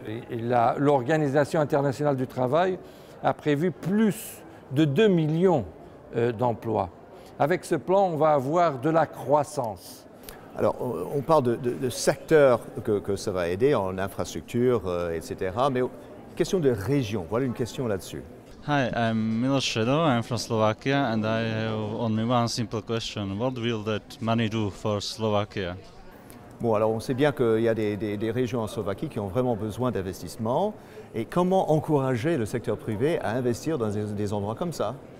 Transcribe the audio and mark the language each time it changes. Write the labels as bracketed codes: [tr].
[fr] L'Organisation internationale du travail a prévu plus de 2 millions d'emplois. Avec ce plan, on va avoir de la croissance. Alors, on parle de secteurs que ça va aider, en infrastructure, etc. Mais question de région, voilà une question là-dessus. [en] Hi, I'm Miloš Šedo, I'm from Slovakia, and I have only one simple question. What will that money do for Slovakia? [fr] Bon, alors on sait bien qu'il y a des régions en Slovaquie qui ont vraiment besoin d'investissement. Et comment encourager le secteur privé à investir dans des endroits comme ça?